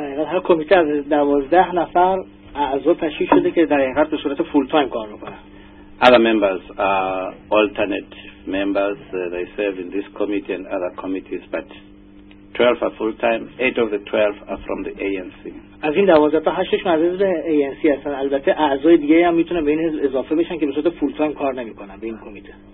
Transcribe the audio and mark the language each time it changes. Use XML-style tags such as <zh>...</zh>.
<fa>هر کمیته از 12 نفر اعضا تشکیل شده که در حقیقت به صورت فول‌تایم کار میکنه.</fa> <en>Other members are alternate members. They serve in this committee and other committees, but 12 are full-time. 8 of the 12 are from the ANC.</en> <fa>از این 12 تا 8ش از حزب ANC هستن. البته اعضای دیگه هم میتونه به این اضافه بشن که به صورت فول‌تایم کار نمیکنن به این کمیته.</fa>